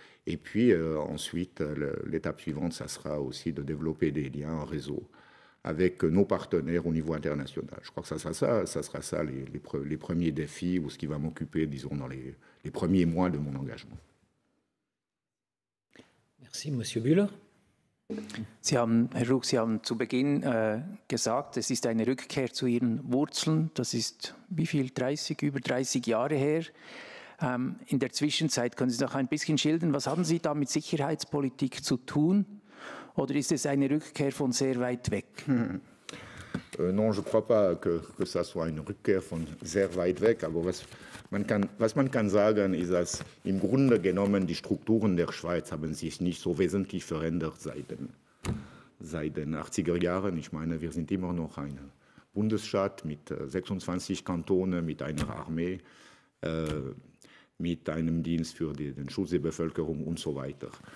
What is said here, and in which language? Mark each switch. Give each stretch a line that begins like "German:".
French: Et puis ensuite, l'étape suivante, ça sera aussi de développer des liens en réseau avec nos partenaires au niveau international. Je crois que ça sera ça les premiers défis ou ce qui va m'occuper, disons, dans les premiers mois de mon engagement. Merci, Monsieur Bühler.
German: Sie haben, Herr Ruck, Sie haben zu Beginn gesagt, es ist eine Rückkehr zu Ihren Wurzeln. Das ist wie viel, 30, über 30 Jahre her. In der Zwischenzeit, können Sie noch ein bisschen schildern, was haben Sie da mit Sicherheitspolitik zu tun? Oder ist es eine Rückkehr von sehr weit weg?
French: Non, je ne crois pas que ça soit une
German: Rückkehr von sehr weit weg. Aber was man kann sagen, ist, dass im Grunde genommen die Strukturen der Schweiz haben sich nicht so wesentlich verändert seit den 80er Jahren. Ich meine, wir sind immer noch ein Bundesstaat mit 26 Kantonen, mit einer Armee, mit einem Dienst für den Schutz der Bevölkerung und so weiter.